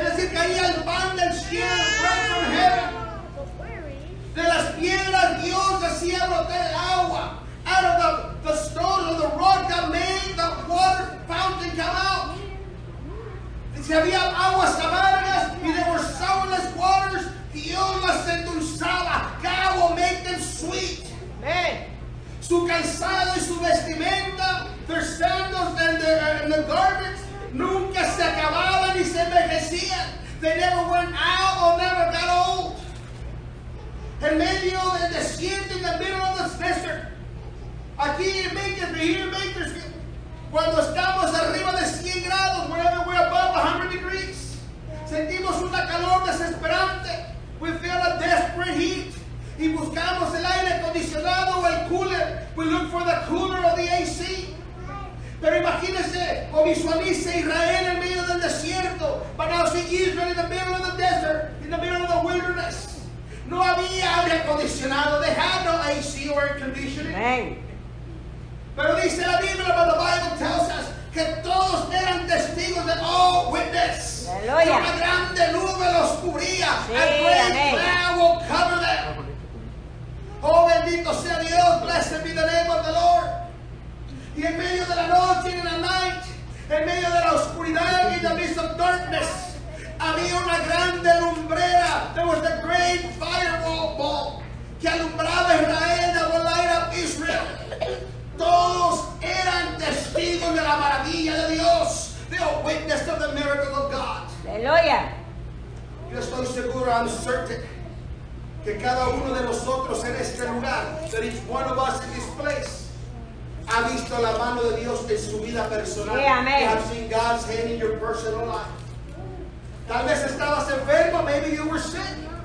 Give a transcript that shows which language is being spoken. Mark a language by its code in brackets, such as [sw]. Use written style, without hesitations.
[es] Es decir, caía el pan del cielo, [en] pan from heaven. [es] De las piedras, Dios hacía brotar el agua. [en] Out of the stone, of the rock that made the water fountain come out. [es] Si había aguas amargas, y [en] there were soundless waters, [es] Dios las endulzaba. [en] God will make them sweet. Amen. [es] Su calzado y su vestimenta, [en] their sandals and the garments, [es] nunca se acababan ni se envejecían. [en] They never went out or never got old. [es] En medio del desierto, [en] in the middle of the desert, [es] aquí en Bakersfield, cuando estamos arriba de 100 grados, [en] wherever we're above 100 degrees, [es] sentimos una calor desesperante. [en] We feel a desperate heat. [es] Y buscamos el aire acondicionado o el cooler. [en] We look for the cooler or the AC. [es] Pero imagínese o visualice Israel en medio del desierto. [en] But now see Israel in the middle of the desert, in the middle of the wilderness. [es] No había aire acondicionado. [en] They had no AC or air conditioning. Amen. [es] Pero dice la Biblia, [en] but the Bible tells us [es] que todos eran testigos de [en] all witness. [es] Aleluya. Que una grande nube los cubría. Sí, [en] a great amen. Cloud will cover them. [es] Oh, bendito sea Dios. [en] Blessed be the name of the Lord. [es] Y en medio de la noche, [en] in the night, [es] en medio de la oscuridad, [en] in the midst of darkness, [es] había una grande lumbrera. [en] There was a great fireball ball [es] que alumbraba Israel, [en] that would light up Israel. [es] Todos eran testigos de la maravilla de Dios. [en] They were witnesses of the miracle of God. [es] Aleluya. Yo estoy seguro, [en] I'm certain, [es] que cada uno de nosotros en este lugar, [en] that each one of us in this place, [es] ha visto la mano de Dios en su vida personal. [en] Yeah, amen. You have seen God's hand in your personal life. [es] Tal vez estabas enfermo, [en] maybe you were sick.